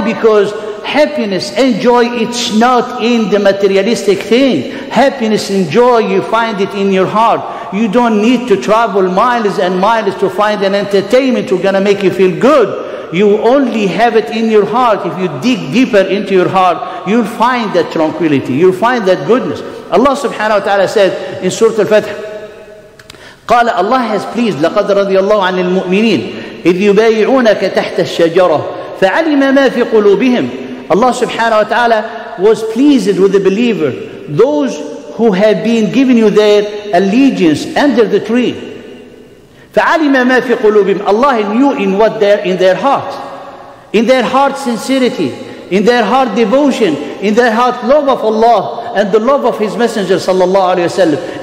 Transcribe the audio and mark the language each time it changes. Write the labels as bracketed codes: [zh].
[en] Because happiness and joy, it's not in the materialistic thing. Happiness and joy, you find it in your heart. You don't need to travel miles and miles to find an entertainment who's going to make you feel good. You only have it in your heart. If you dig deeper into your heart, you'll find that tranquility. You'll find that goodness. Allah subhanahu wa ta'ala said in Surah Al-Fath, [ar] قَالَ [en] Allah has pleased, [ar] لَقَدْ رَضِيَ اللَّهُ عَنِ الْمُؤْمِنِينَ إِذْ يُبَايِعُونَكَ تَحْتَ الشَّجَرَةِ فَعَلِمَ مَا فِي قُلُوبِهِمْ. [en] Allah subhanahu wa ta'ala was pleased with the believer, those who have been given you their allegiance under the tree. [ar] فَعَلِمَ مَا فِي قُلُوبِهِمْ. [en] Allah knew in what they're in their heart. In their heart sincerity, in their heart devotion, in their heart love of Allah and the love of His Messenger sallallahu alayhi wa sallam.